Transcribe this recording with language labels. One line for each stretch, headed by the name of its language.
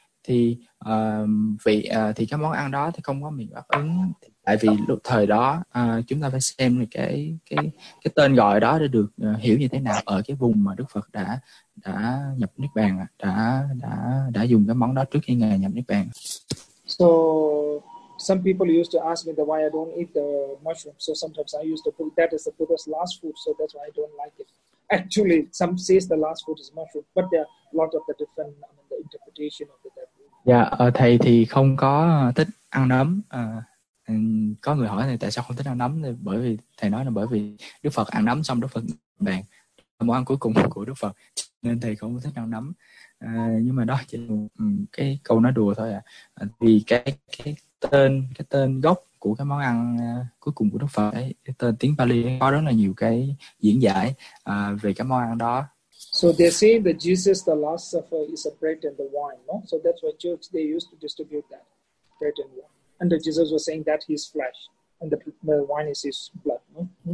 Vietnamese: thì vị thì cái món ăn đó thì không có miệng đáp ứng, tại vì lúc thời đó chúng ta phải xem là cái tên gọi đó để được hiểu như thế nào ở cái vùng mà Đức Phật đã nhập Niết Bàn, đã dùng cái món đó trước khi Ngài nhập Niết
English: So some people used to ask me the why I don't eat the mushroom. So sometimes I used to put that as the Buddha's last food. So that's why I don't like it. Actually, some says the last food is mushroom, but there are a lot of the different, I mean, the interpretation of it.
Vietnamese: Dạ, thầy thì không có thích ăn nấm. Có người hỏi thầy tại sao không thích ăn nấm, thì bởi vì thầy nói là bởi vì Đức Phật ăn nấm xong Đức Phật bạn món ăn cuối cùng của Đức Phật nên thầy không thích ăn nấm. Nhưng mà đó chỉ là cái câu nói đùa thôi ạ. Vì cái tên gốc của cái món ăn cuối cùng của Đức Phật ấy, cái tên tiếng Pali có rất là nhiều cái diễn giải về cái món ăn đó.
English: So they're saying that Jesus, the Last Supper, is a bread and the wine, no? So that's why church, they used to distribute that bread and wine. And that Jesus was saying that his flesh and the wine is his blood, no?